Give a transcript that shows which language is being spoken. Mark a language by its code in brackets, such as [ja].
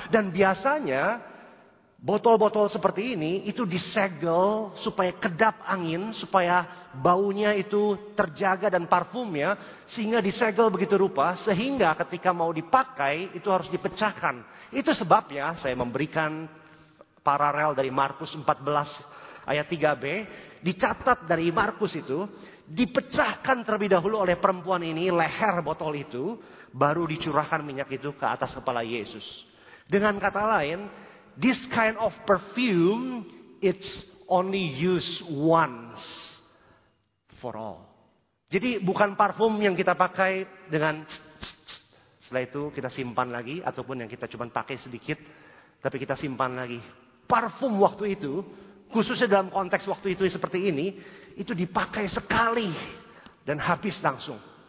[id] Dan biasanya botol-botol seperti ini itu disegel supaya kedap angin, supaya baunya itu terjaga dan parfumnya, sehingga disegel begitu rupa, sehingga ketika mau dipakai itu harus dipecahkan. Itu sebabnya saya memberikan paralel dari Markus 14 ayat 3b, dicatat dari Markus itu, dipecahkan terlebih dahulu oleh perempuan ini leher botol itu, baru dicurahkan minyak itu ke atas kepala Yesus. Dengan kata lain, [en] this kind of perfume, it's only used once for all. [id] Jadi bukan parfum yang kita pakai dengan setelah itu kita simpan lagi, ataupun yang kita cuma pakai sedikit, tapi kita simpan lagi. Parfum waktu itu, khususnya dalam konteks waktu itu seperti ini, itu dipakai sekali dan habis langsung.